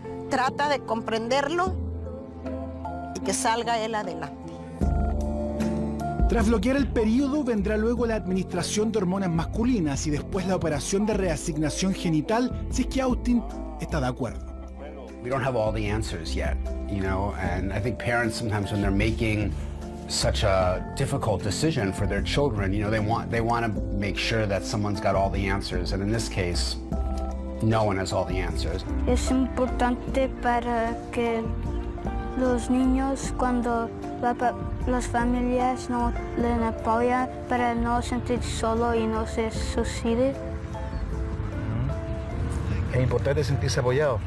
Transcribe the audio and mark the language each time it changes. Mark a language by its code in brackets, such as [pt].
[es] Trata de comprenderlo y que salga él adelante. Tras bloquear el periodo, vendrá luego la administración de hormonas masculinas y después la operación de reasignación genital, si es que Austin está de acuerdo. [en] We don't have all the answers yet, you know, and I think parents sometimes when they're making such a difficult decision for their children, you know, they want to make sure that someone's got all the answers, and in this case, no one has all the answers. [es] Es importante para que los niños cuando las familias no le apoyan para no sentirse solo y no se suicide. Es importante sentirse apoyado.